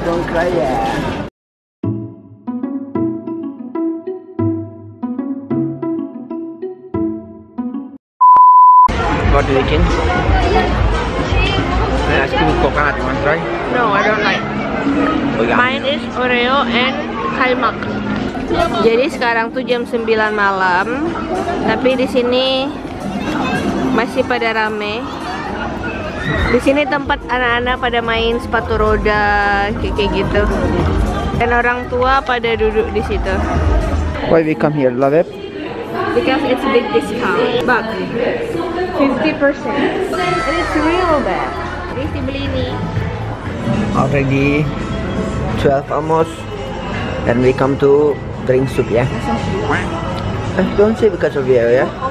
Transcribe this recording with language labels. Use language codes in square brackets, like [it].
[en] Don't cry ya. Yeah. What do you think? May I ask you coconut, you want to try? No, I don't like. Oh, yeah. Mine is Oreo and kaimak. [id] Jadi sekarang tuh jam 9 malam, tapi di sini masih pada rame. Di sini tempat anak-anak pada main sepatu roda, kayak gitu. Dan orang tua pada duduk di situ. [en] Why we come here, love it? Because it's a big discount, but 50%. And it's real bad. [id] Ini beli ini. [en] Already 12 almost, and we come to drink soup, ya? Yeah? Don't say because of you, ya? Yeah?